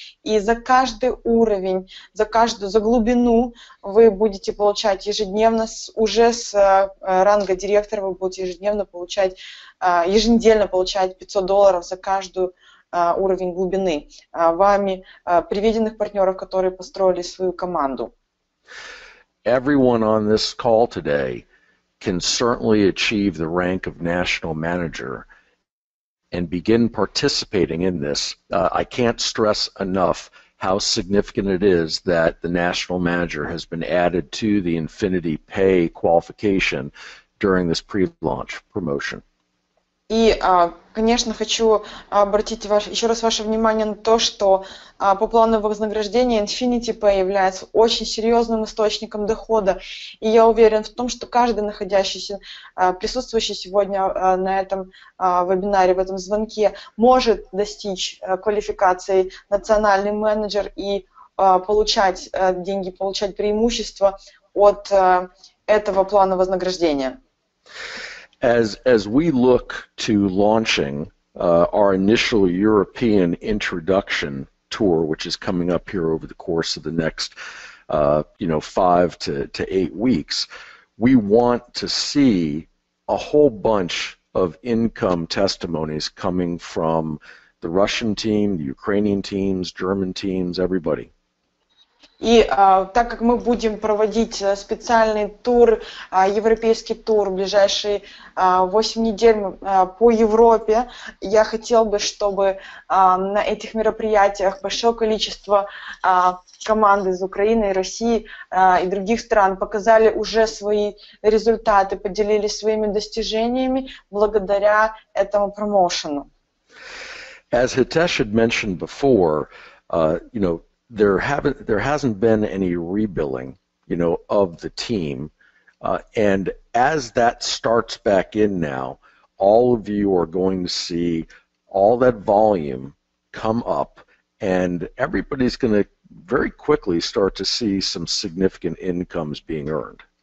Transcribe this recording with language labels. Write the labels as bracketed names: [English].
[Russian] И за каждый уровень, за каждую, за глубину вы будете получать ежедневно, уже с ранга директора вы будете еженедельно получать $500 за каждую уровень глубины вами приведенных партнеров, которые построили свою команду. [English] Everyone on this call today can certainly achieve the rank of national manager and begin participating in this. I can't stress enough how significant it is that the national manager has been added to the Infinity Pay qualification during this pre-launch promotion. [Russian] И, конечно, хочу обратить еще раз ваше внимание на то, что по плану вознаграждения Infinity Pay является очень серьезным источником дохода. И я уверен в том, что каждый находящийся, присутствующий сегодня на этом вебинаре, в этом звонке, может достичь квалификации национальный менеджер и получать деньги, получать преимущества от этого плана вознаграждения. [English] As we look to launching our initial European introduction tour, which is coming up here over the course of the next, 5 to 8 weeks, we want to see a whole bunch of income testimonies coming from the Russian team, the Ukrainian teams, German teams, everybody. [Russian] И так как мы будем проводить специальный тур, европейский тур, ближайшие 8 недель по Европе, я хотел бы, чтобы на этих мероприятиях большое количество команд из Украины, России и других стран показали уже свои результаты, поделились своими достижениями благодаря этому промоушену. [English] As Hitesh had mentioned before, There hasn't been any rebilling, of the team. And as that starts back in now, all of you are going to see all that volume come up, and everybody's going to very quickly start to see some significant incomes being earned.